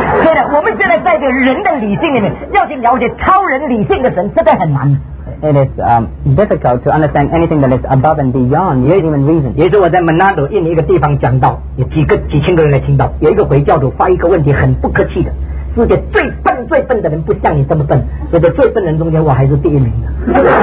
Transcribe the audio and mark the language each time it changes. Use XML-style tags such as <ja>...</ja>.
<zh>对的，我们现在在这个人的理性里面，要去了解超人理性的神，真的很难。</zh> <en>It is difficult to understand anything that is above and beyond human reason.</en> <zh>也是我在 Manado 印尼一个地方讲道，有几千个人来听到。有一个回教徒发一个问题，很不客气的，世界最笨最笨的人不像你这么笨，所以在最笨人中间，我还是第一名的。</zh>